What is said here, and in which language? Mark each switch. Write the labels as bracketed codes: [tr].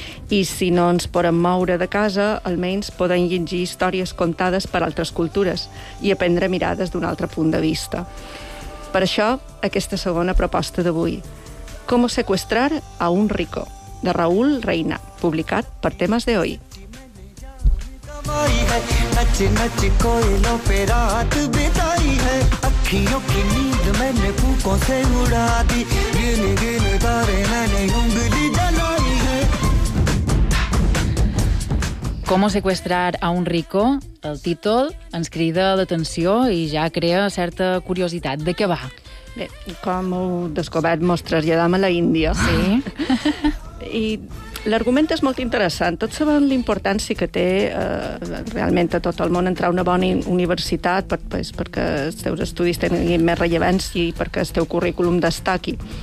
[ca] I si no ens podem moure de casa, almenys podem llegir històries contades per altres cultures i aprendre mirades d'un altre punt de vista. Per això, aquesta segona proposta d'avui, Cómo secuestrar a un rico, de Raúl Reina, publicat per Temas de Hoy. [hi] नच नच कोयलों पे रात बिताई है अखियों की नींद मैंने फूकों से उड़ा दी गिन गिन तारे मैंने उंगली जलाई है [es] ¿Cómo secuestrar a un rico? [ca] El títol ens crida l'atenció i ja crea certa curiositat. De què va? Bé, com ho descobert, mos traslladam a la Índia. Sí. I l'argument és molt interessant. Tots saben l'importància que té realment a tot el món entrar a una bona universitat perquè els teus estudis tinguin més rellevància i perquè el teu currículum destaqui.